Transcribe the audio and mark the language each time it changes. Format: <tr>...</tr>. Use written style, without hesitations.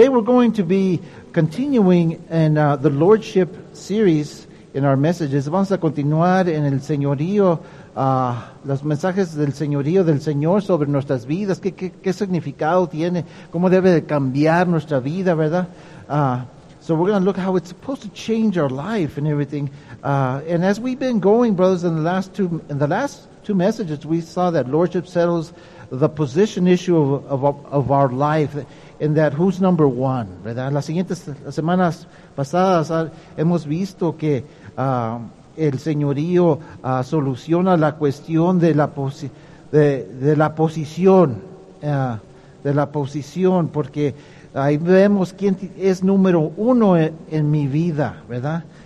<en>Today we're going to be continuing in the Lordship series in our messages.</en> <es>Vamos a continuar en el Señorío, los mensajes del Señorío, del Señor sobre nuestras vidas. ¿Qué significado tiene? ¿Cómo debe de cambiar nuestra vida, verdad?</es> <en>So we're going to look how it's supposed to change our life and everything. And as we've been going, brothers, in the last two messages, we saw that Lordship settles the position issue of our life. In that, who's number one, ¿verdad?</en> <es>Las siguientes semanas pasadas hemos visto que el Señorío soluciona la cuestión de la posición, porque ahí vemos quién es número uno en mi vida, ¿verdad?</es>